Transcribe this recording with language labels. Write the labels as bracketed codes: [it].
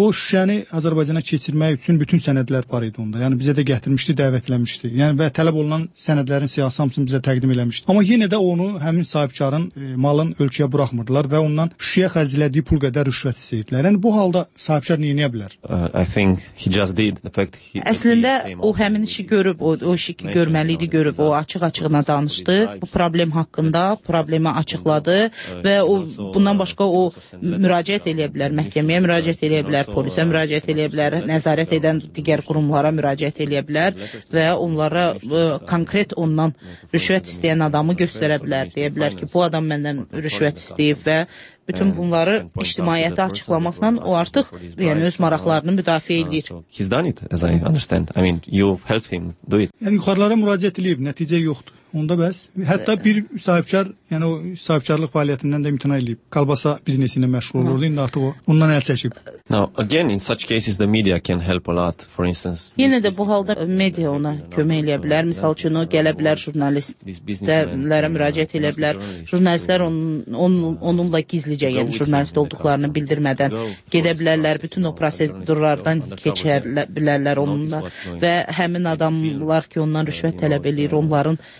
[az] O Şüşəni Azərbaycana keçirmək üçün bütün sənədlər var idi onda. Yəni bizə də gətirmişdi, dəvət eləmişdi. Yəni və tələb olunan sənədlərin siyasi hamısını bizə təqdim eləmişdi. Amma yenə də onu həmin sahibkarın malın ölkəyə buraxmırdılar və ondan Şüşəyə xərclədiyi pul qədər rüşvət istəyirdilər. Yəni bu halda sahibkar niyə bilər? [en] I think he just did the fact he [az] əslində o həmin işi görüb, o işi ki, görməli idi, görüb, o açıq-açığına danışdı bu problem haqqında, problemi açıqladı və o bundan başqa o müraciət eləyə bilər, məhkəməyə müraciət eləyə bilər, polisə müraciət eləyə bilər, nəzarət edən digər qurumlara müraciət eləyə bilər və onlara konkret ondan rüşvət istəyən adamı göstərə bilər, deyə bilər ki, bu adam məndən rüşvət istəyib və bütün bunları ictimaiyyətə açıqlamaqla o artıq yəni öz maraqlarını müdafiə edir. [en] He's done it, as I understand. I mean, you helped him do it. [az] Yəni yuxarılara müraciət edib, nəticə yoxdur. Onda bəs. Hətta bir sahibkar, yəni o sahibkarlıq fəaliyyətindən də imtina edib. Kalbasa biznesi ilə məşğul olurdu. İndi artıq o ondan əl çəkib. [en] Now, again, in such cases, the media can help a lot. For instance, [az] yenə də bu halda media ona kömək eləyə bilər. Misal üçün, o gələ bilər jurnalistlərə müraciət edə bilər. Jurnalistlər onunla gizlicə, yəni jurnalist olduqlarını bildirmədən gedə bilərlər. Bütün o prosedurlardan keçə bilərlər onunla. Və həmin adamlar ki, ondan rüşvət tələb eləyir, onların